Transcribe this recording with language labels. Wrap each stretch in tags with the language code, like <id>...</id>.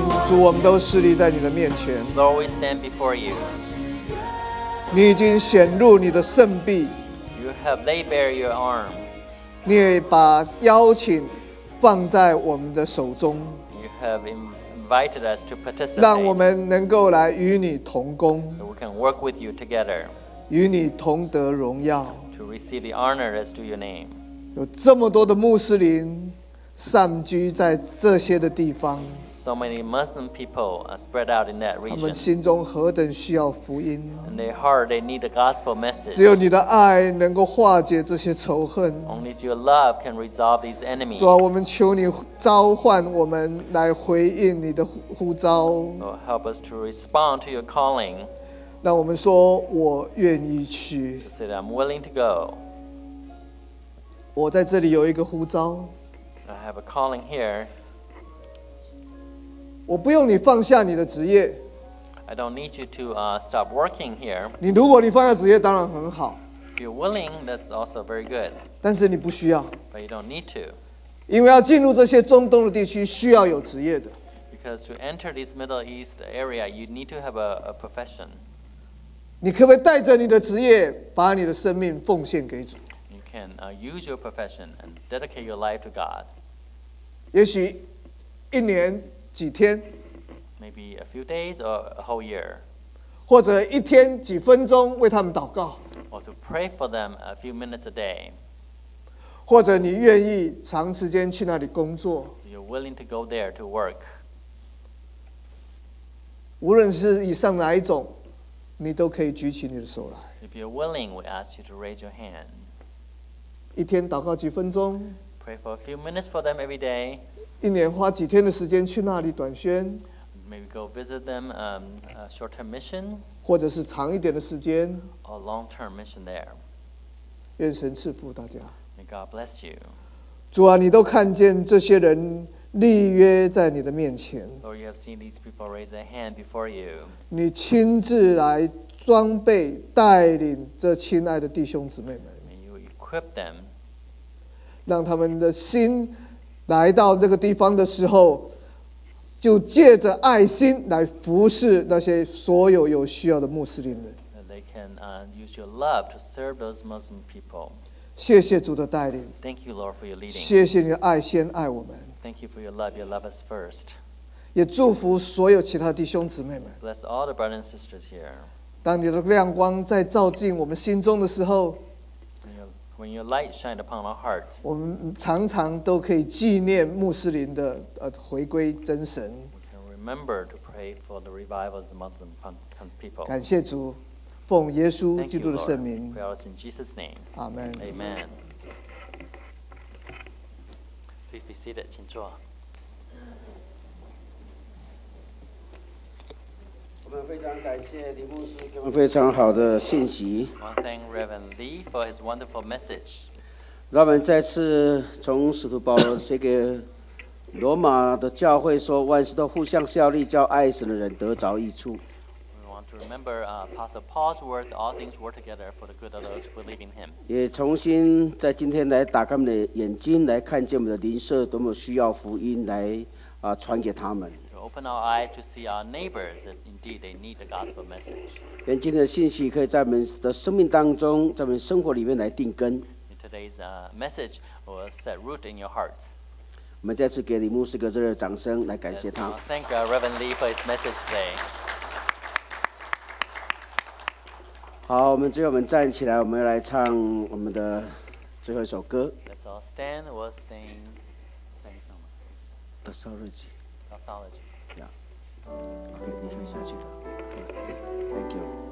<zh>主，我们都侍立在你的面前。</zh> <en>Lord, we stand before you.</en> <zh>你已经显露你的圣臂。</zh> <en>You have laid bare your arm.</en> <zh>你也把邀请放在我们的手中。</zh> <en>You have invited us to participate.</en> <zh>让我们能够来与你同工。</zh> <en>So we can work with you together.</en> <zh>与你同得荣耀。</zh> <en>To receive the honor as to your name.</en> <zh>有这么多的穆斯林散居在这些的地方。</zh> <en>So many Muslim people are spread out in that region.</en> <zh>他们心中何等需要福音。</zh> <en>And their heart, they need the gospel message.</en> <zh>只有你的爱能够化解这些仇恨。</zh> <en>Only your love can resolve these enemies.</en> <zh>主啊，我们求你召唤我们来回应你的呼召。</zh> <en>Lord, help us to respond to your calling.</en> <zh>让我们说，我愿意去。</zh> <en>Say, I'm willing to go.</en> <zh>我在这里有一个呼召。</zh> <en>I have a calling here.</en> <zh>我不用你放下你的职业。</zh> <en>I don't need you to stop working here.</en> <zh>你如果你放下职业，当然很好。</zh> <en>If you're willing, that's also very good.</en> <zh>但是你不需要。</zh> <en>But you don't need to.</en> <zh>因为要进入这些中东的地区，需要有职业的。</zh> <en>Because to enter this Middle East area, you need to have a profession.</en> <zh>你可不可以带着你的职业，把你的生命奉献给主？</zh> <en>Can use your profession and dedicate your life to God.</en> <zh>也许一年几天</zh> <en>，maybe a few days or a whole year.</en> <zh>或者一天几分钟为他们祷告</zh> <en>，or to pray for them a few minutes a day.</en> <zh>或者你愿意长时间去那里工作</zh> <en>，you're willing to go there to work.</en> <zh>无论是以上哪一种，你都可以举起你的手来。</zh> <en>If you're willing, we ask you to raise your hand.</en> <zh>一天祷告几分钟</zh> <en>？Pray for a few minutes for them every day.</en> <zh>一年花几天的时间去那里短宣</zh> <en>？Maybe go visit them a short-term mission.</en> <zh>或者是长一点的时间</zh> <en>？A long-term mission there.</en> <zh>愿神赐福大家。</zh> <en>May God bless you.</en> <zh>主啊，你都看见这些人立约在你的面前。</zh> <en>Lord, you have seen these people raise their hand before you.</en> <zh>你亲自来装备带领这亲爱的弟兄姊妹们。</zh> <en>Them,</en> <zh>让他们的心来到这个地方的时候，就借着爱心来服侍那些所有有需要的穆斯林人。</zh> <en>They can use your love to serve those Muslim people.</en> <zh>谢谢主的带领。</zh> <en>Thank you, Lord, for your leading.</en> <zh>谢谢你的爱先爱我们。</zh> <en>Thank you for your love. You love us first.</en> <zh>也祝福所有其他弟兄姊妹们。</zh> <en>Bless all the brothers and sisters here.</en> <zh>当你的亮光在照进我们心中的时候。</zh> <en>When your light shines upon our hearts,</en> <zh>我们常常都可以纪念穆斯林的回归真神。</zh> <en>We can remember to pray for the revival of the Muslim people.</en> <zh>感谢主，奉耶稣基督的圣名。</zh> <en>Thank you, Lord. We pray in Jesus' name. Amen. Amen. Please be seated.</en> <zh>请坐。我们非常感谢李牧师给我们非常好的信息。</zh> <en>Thank Reverend Lee for his wonderful message.</en> <zh>让我们再次从使徒保罗写给罗马的教会说，万事都互相效力，叫爱神的人得着益处。</zh> <en>We want to remember Apostle Paul's words, all things work together for the good of those who believe in him.</en> <zh>也重新在今天来打开我们的眼睛，来看见我们的邻舍多么需要福音来传给他们。</zh> <en>Open our eyes to see our neighbors that indeed they need the gospel message.</en> <zh>愿今天的信息可以在我们的生命当中，在我们生活里面来定根。</zh> <en>Today's message will set root in your hearts.</en> <zh>我们再次给李牧师一个热烈的掌声，来感谢他。</zh> <en>Thank you, Reverend Lee, for his message today.</en> <zh>好，我们最后我们站起来，我们要来唱我们的最后一首歌。</zh> <en>Let's all stand. We'll sing some doxology. Doxology. Yeah.</en> <zh>Okay, 你可以下去了。</zh> <en>Thank you.</en>